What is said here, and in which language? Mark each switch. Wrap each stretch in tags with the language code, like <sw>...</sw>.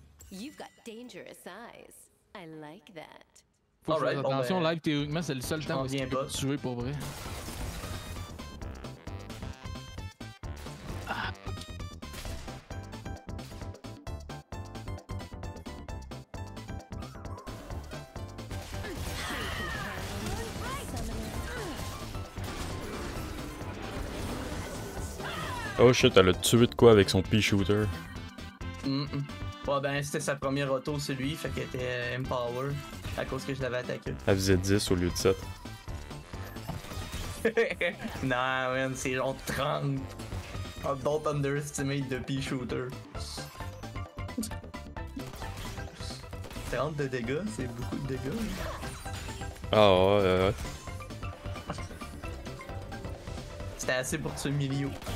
<en>You've got dangerous eyes. I like that.</en> <fr>Faut que right, attention, bon, ben... live théoriquement c'est le seul temps où tu peux te tuer pour vrai.</fr> <en>Oh shit,</en> <fr>elle a tué de quoi avec son P-shooter? Ouais, ben c'était sa première auto, celui, fait qu'elle était Empower à cause que je l'avais attaqué. Elle faisait 10 au lieu de 7.</fr> <en>Nah, man,</en> <fr>c'est genre 30.</fr> <en>Oh, don't underestimate the P-shooter.</en> <fr>30 de dégâts, c'est beaucoup de dégâts. Ah oh, ouais. C'était assez pour tuer Milio.</fr>